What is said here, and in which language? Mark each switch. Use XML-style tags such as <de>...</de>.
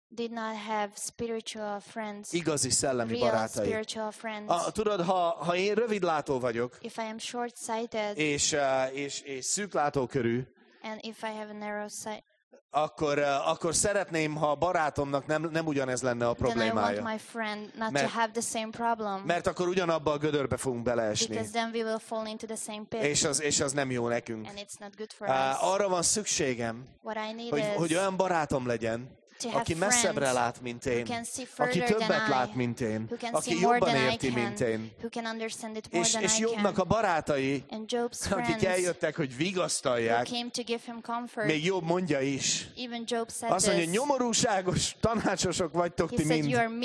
<en>Did not have spiritual friends.</en> <hu>Igazi szellemi</hu> <en>real</en> <hu>barátai.</hu> <en>Spiritual friends.</en> <hu>Tudod, ha én rövidlátó vagyok,</hu> <en>if I am short-sighted,</en> <hu>és szűklátókörű,</hu> <en>and if I have a narrow sight,</en> <hu>akkor szeretném, ha a barátomnak nem ugyanez lenne a problémája.</hu> <en>Then I want my friend not to have the same problem.</en> <hu>Mert akkor ugyanabba a gödörbe fogunk beleesni.</hu> <en>Because then we will fall into the same pit.</en> <hu>És az nem jó nekünk.</hu> <en>And it's not good for us.</en> <hu>Arra van szükségem, hogy olyan barátom legyen, aki messzebbre lát, mint én, aki többet lát, mint én, aki jobban érti, mint én, és Jobbnak a barátai, akik eljöttek, hogy vigasztalják, még Jobb mondja is, azt mondja, nyomorúságos tanácsosok vagytok ti mind,</hu>